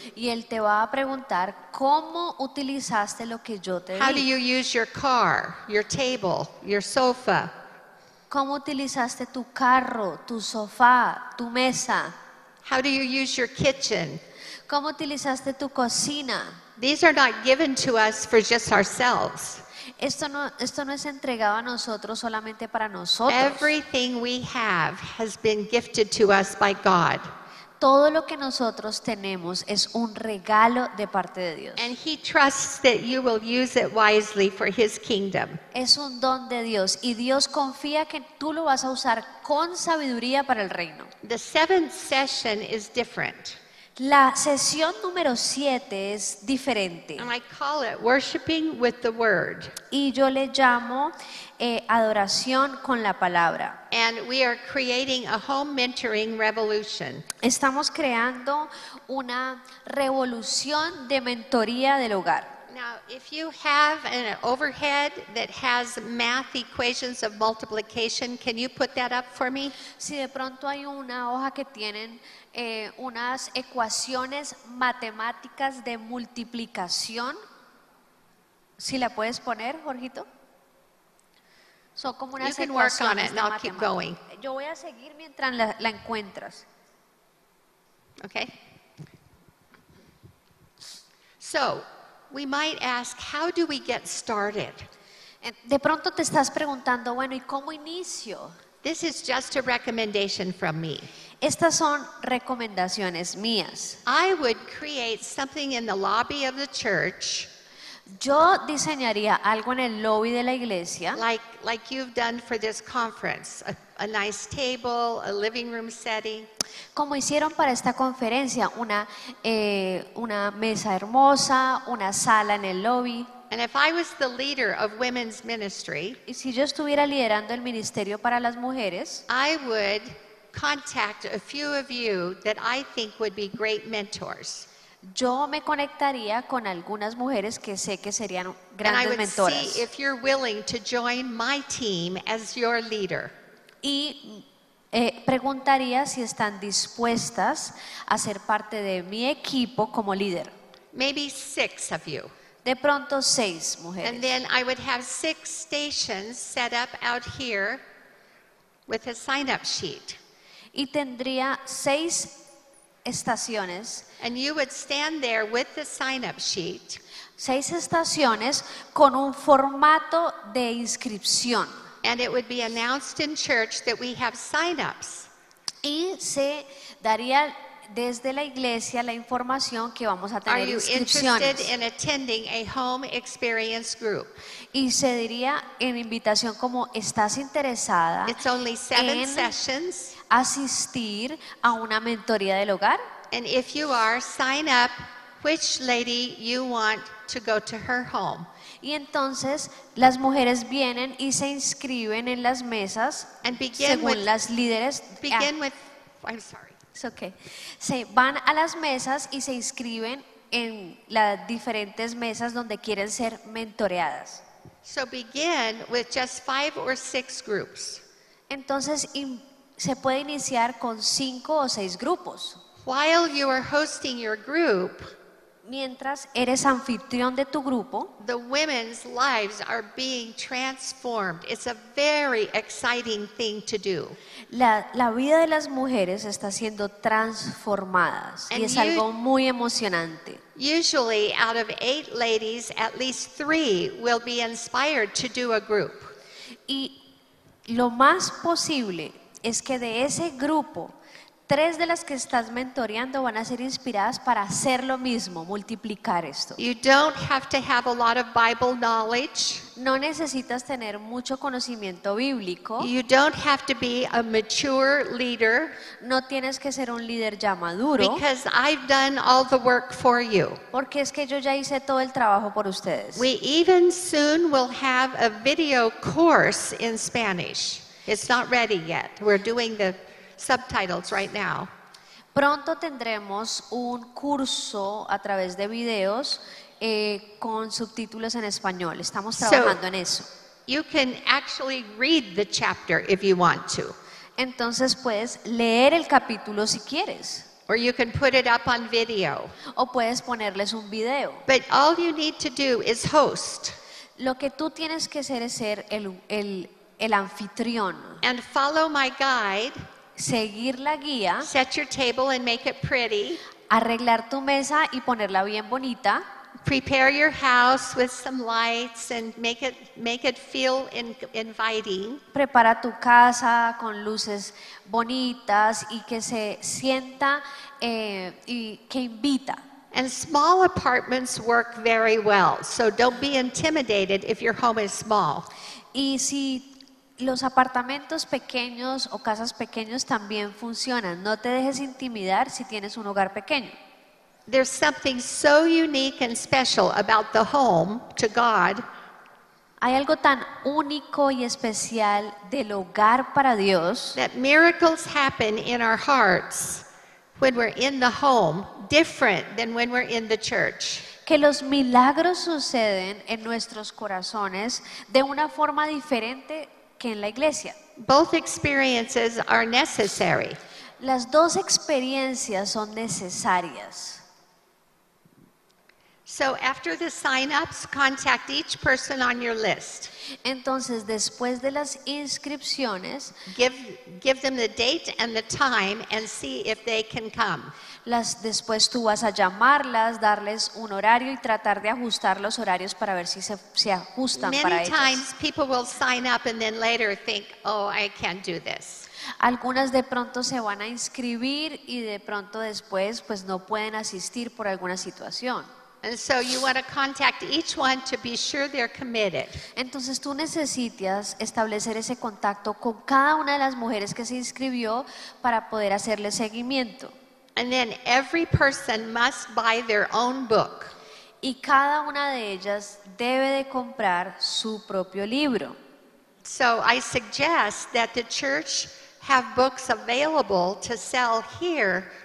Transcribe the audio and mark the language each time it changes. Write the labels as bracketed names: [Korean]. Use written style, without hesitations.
[Spanish] Y él te va a preguntar cómo utilizaste lo que yo te di. [English] How do you use your car, your table, your sofa? [Spanish] ¿Cómo utilizaste tu carro, tu sofá, tu mesa? [English] How do you use your kitchen? [Spanish] ¿Cómo utilizaste tu cocina? [English] These are not given to us for just ourselves. [Spanish] Esto no es entregado a nosotros solamente para nosotros. [English] Everything we have has been gifted to us by God. [Spanish] Todo lo que nosotros tenemos es un regalo de parte de Dios. [English] And he trusts that you will use it wisely for his kingdom. [Spanish] Es un don de Dios y Dios confía que tú lo vas a usar con sabiduría para el reino. [English] The seventh session is different. [Spanish] La sesión número 7 es diferente. [English] And I call it worshiping with the word. [Spanish] Y yo le llamo adoración con la palabra. [English] And we are creating a home mentoring revolution. [Spanish] Estamos creando una revolución de mentoría del hogar. [English] Now, if you have an overhead that has math equations of multiplication, can you put that up for me? [Spanish] Si de pronto hay una hoja que tienen unas ecuaciones matemáticas de multiplicación, si la puedes poner, Jorgito. Son como unas ecuaciones matemáticas. [English] You can work on it, and I'll keep going. [Spanish] Yo voy a seguir mientras la encuentras. [English] Okay. So, we might ask, how do we get started? [Spanish] De pronto te estás preguntando, bueno, ¿y cómo inicio? [English] This is just a recommendation from me. [Spanish] Estas son recomendaciones mías. [English] I would create something in the lobby of the church. [Spanish] Yo diseñaría algo en el lobby de la iglesia. [English] Like you've done for this conference, a nice table, a living room setting. [Spanish] Como hicieron para esta conferencia, una mesa hermosa, una sala en el lobby. [English] And if I was the leader of women's ministry, [Spanish] y si yo estuviera liderando el ministerio para las mujeres, [English] I would contact a few of you that I think would be great mentors. [Spanish] Yo me conectaría con algunas mujeres que sé que serían grandes mentoras. [English] And I would see if you're willing to join my team as your leader. [Spanish] Y preguntaría si están dispuestas a ser parte de mi equipo como líder. [English] Maybe 6 of you. [Spanish] De pronto 6 mujeres. [English] And then I would have 6 stations set up out here with a sign up sheet. [Spanish] Y tendría 6 estaciones. [English] And you would stand there with the sign up sheet. [Spanish] 6 estaciones con un formato de inscripción. [English] And it would be announced in church that we have sign ups. [Spanish] Y se daría desde la iglesia la información que vamos a tener inscripciones. [English] Are you interested in attending a home experience group? [Spanish] Y se diría en invitación como estás interesada. [English] It's only 7 sessions. [Spanish] Asistir a una mentoría del hogar. [English] And if you are, sign up which lady you want to go to her home. [Spanish] Y entonces las mujeres vienen y se inscriben en las mesas según las líderes. [English] Begin with, I'm sorry. It's okay. [Spanish] Se van a las mesas y se inscriben en las diferentes mesas donde quieren ser mentoreadas. [English] So begin with just 5 or 6 groups. [Spanish] Entonces se puede iniciar con 5 o 6 grupos. [English] While you are hosting your group, [Spanish] mientras eres anfitrión de tu grupo, [English] the women's lives are being transformed. It's a very exciting thing to do. [Spanish] La vida de las mujeres está siendo transformada y es algo muy emocionante. [English] Usually, out of 8 ladies, at least 3 will be inspired to do a group. [Spanish] Y lo más posible es que de ese grupo, 3 de las que estás mentoreando van a ser inspiradas para hacer lo mismo, multiplicar esto. [English] You don't have to have a lot of Bible knowledge. [Spanish] No necesitas tener mucho conocimiento bíblico. [English] You don't have to be a mature leader. [Spanish] No tienes que ser un líder ya maduro. [English] Because I've done all the work for you. [Spanish] Porque es que yo ya hice todo el trabajo por ustedes. [English] We even soon will have a video course in Spanish. It's not ready yet. We're doing the subtitles right now. [Spanish] Pronto tendremos un curso a través de videos con subtítulos en español. Estamos trabajando en eso. [English] So, You can actually read the chapter if you want to. [Spanish] Entonces puedes leer el capítulo si quieres. [English] Or you can put it up on video. [Spanish] O puedes ponerles un video. [English] But all you need to do is host. [Spanish] Lo que tú tienes que hacer es ser el anfitrión. [English] And follow my guide. [Spanish] Seguir la guía. [English] Set your table and make it pretty. [Spanish] Arreglar tu mesa y ponerla bien bonita. [English] Prepare your house with some lights and make it feel inviting. [Spanish] Prepara tu casa con luces bonitas y que se sienta y que invita. [English] And small apartments work very well, so don't be intimidated if your home is small. [Spanish] Y si los apartamentos pequeños o casas pequeños también funcionan, no te dejes intimidar si tienes un hogar pequeño. [English] There's something so unique and special about the home to God. [Spanish] Hay algo tan único y especial del hogar para Dios. [English] That miracles happen in our hearts when we're in the home, different than when we're in the church. [Spanish] Que los milagros suceden en nuestros corazones de una forma diferente que en la iglesia. [English] Both experiences are necessary. [Spanish] Las dos experiencias son necesarias. [English] So after the sign-ups, contact each person on your list. [Spanish] Entonces, después de las inscripciones, [English] give them the date and the time and see if they can come. [Spanish] Después tú vas a llamarlas, darles un horario y tratar de ajustar los horarios para ver si se ajustan [English] Many [Spanish] para ellas. [English] Many times people will sign up and then later think, oh, I can't do this. [Spanish] Algunas de pronto se van a inscribir y de pronto después pues no pueden asistir por alguna situación. [English] And so you want to contact each one to be sure they're committed. [Spanish] Entonces tú necesitas establecer ese contacto con cada una de las mujeres que se inscribió para poder hacerle seguimiento. [English] And then every person must buy their own book. [Spanish] Y cada una de ellas debe de comprar su propio libro. [English] So I suggest that the church have books available to sell here.